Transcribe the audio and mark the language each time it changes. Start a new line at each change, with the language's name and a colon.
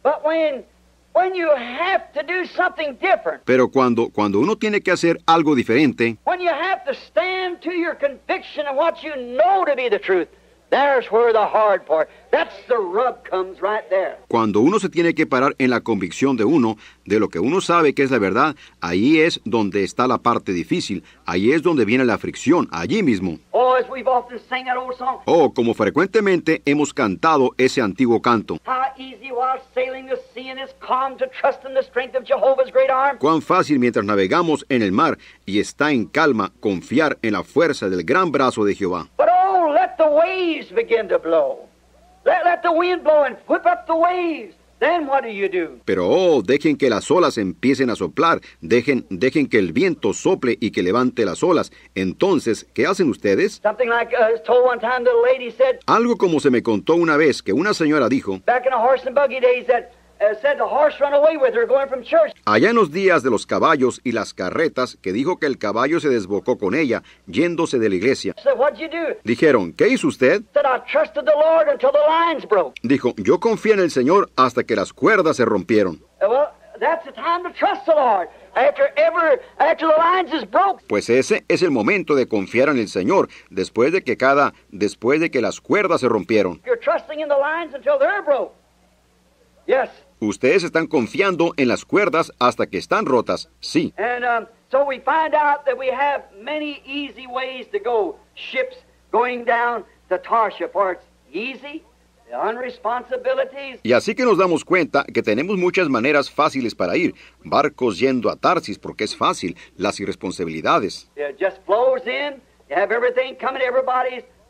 English: But when you have to do something different.
Spanish: Pero cuando uno tiene que hacer algo diferente.
English: When you have to stand to your conviction and what you know to be the truth. There's where the hard part. That's the rub comes right there.
Spanish: Cuando uno se tiene que parar en la convicción de uno, de lo que uno sabe que es la verdad, ahí es donde está la parte difícil. Ahí es donde viene la fricción, allí mismo.
English: Oh, as we've often sang that old song.
Spanish: Oh, como frecuentemente hemos cantado ese antiguo canto.
English: How easy while sailing the sea in this calm to trust in the strength of Jehovah's great arm.
Spanish: Cuán fácil mientras navegamos en el mar y está en calma confiar en la fuerza del gran brazo de Jehová.
English: The waves begin to blow. Let the wind blow and whip up the waves. Then what do you do?
Spanish: Pero oh, dejen que las olas empiecen a soplar. Dejen que el viento sople y que levante las olas. Entonces, ¿qué hacen ustedes?
English: Something like told one time the lady said.
Spanish: Algo como se me contó una vez que una señora dijo.
English: Back in the horse and buggy days that. Said the horse run away with her going from church.
Spanish: Allá en los días de los caballos y las carretas, que dijo que el caballo se desbocó con ella yéndose de la iglesia.
English: Said, what'd you do?
Spanish: Dijeron, ¿qué hizo usted?
English: Said, I trusted the Lord until the lines broke.
Spanish: Dijo, yo confié en el Señor hasta que las cuerdas se rompieron.
English: Well, that's the time to trust the Lord. After the lines is broke.
Spanish: Pues ese es el momento de confiar en el Señor después de que las cuerdas se rompieron.
English: You're trusting in the lines until they're broke. Yes.
Spanish: Ustedes están confiando en las cuerdas hasta que están rotas, sí.
English: And so we find out that we have many easy ways to go. Ships going down to Tarshish, or it's easy, the unresponsibilities.
Spanish: Y así que nos damos cuenta que tenemos muchas maneras fáciles para ir. Barcos yendo a Tarsis porque es fácil, las irresponsabilidades.
English: It just flows in, you have everything coming, everybody's.